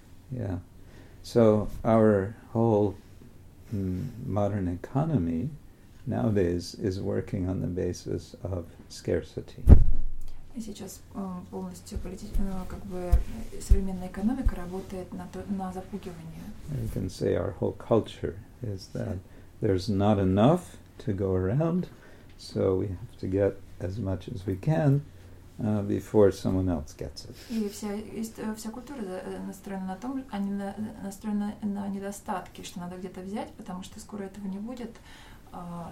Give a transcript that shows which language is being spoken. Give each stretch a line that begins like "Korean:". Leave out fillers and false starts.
English: Yeah. So our whole modern economy nowadays is working on the basis of scarcity.
Russian: И сейчас полностью политическая, как бы современная экономика работает на запугивание.
English: We can say our whole culture is that there's not enough to go around, so we have to get as much as we can before someone else gets it.
Russian: И вся культура настроена на том, они настроены на недостатки, что надо где-то взять, потому что скоро этого не будет, да.